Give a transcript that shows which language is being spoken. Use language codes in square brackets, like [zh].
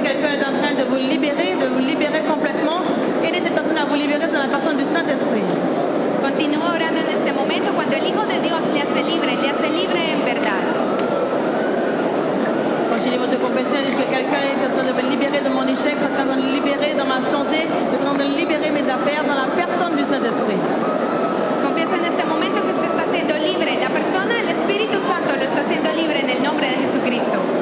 [fr] Quelqu'un est en train de vous libérer complètement. Aidez cette personne à vous libérer dans la personne du Saint-Esprit. [es] Continúa orando en este momento cuando el Hijo de Dios le hace libre en verdad. [fr] Continuez votre confession, dites que quelqu'un est en train de me libérer de mon échec, en train de me libérer dans ma santé, en train de libérer mes affaires dans la personne du Saint-Esprit. [es] Confiesa en este momento que usted está siendo libre. La persona, el Espíritu Santo, lo está haciendo libre en el nombre de Jesucristo.